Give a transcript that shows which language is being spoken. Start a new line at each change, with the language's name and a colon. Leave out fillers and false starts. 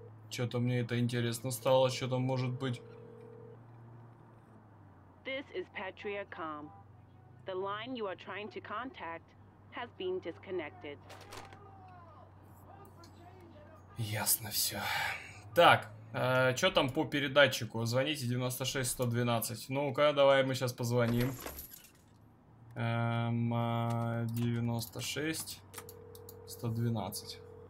Russian: Что-то мне это интересно стало, что там может быть.
English: This is Patria Com. The line you are trying to contact has been disconnected.
Russian: Ясно все. Так, что там по передатчику? Звоните 96-112. Ну-ка, давай мы сейчас позвоним. 96-112.